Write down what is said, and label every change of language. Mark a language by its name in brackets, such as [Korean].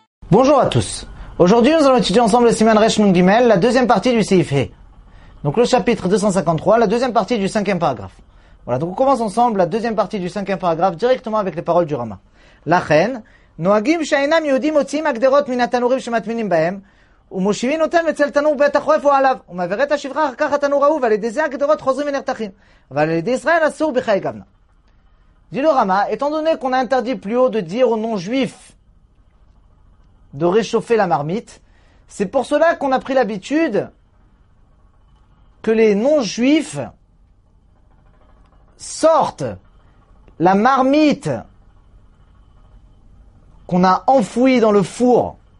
[French] Bonjour à tous. Aujourd'hui, nous allons étudier ensemble le Siman Resh Nun Gimel, la deuxième partie du Seif He. Donc le chapitre 253, la deuxième partie du cinquième paragraphe. Voilà, donc on commence ensemble la deuxième partie du cinquième paragraphe directement avec les paroles du Rama. [Hebrew] La chen, נוהגים שאינם יהודים מוציאים הגדרות מן התנורים שמטמינים בהם, ומושיבים אותם אצל תנור בית החורף או עליו, ומעבירי את השברה אחר כך התנור ההוא, ועל ידי זה הגדרות חוזרים ונרתחים. אבל על ידי ישראל אסור בחיי גבנה. [French] דילו רמה, étant donné qu'on a interdit plus haut de dire aux non-juifs de réchauffer la marmite, c'est pour cela qu'on a pris l'habitude que les non-juifs sortent la marmite qu'on a enfoui dans le four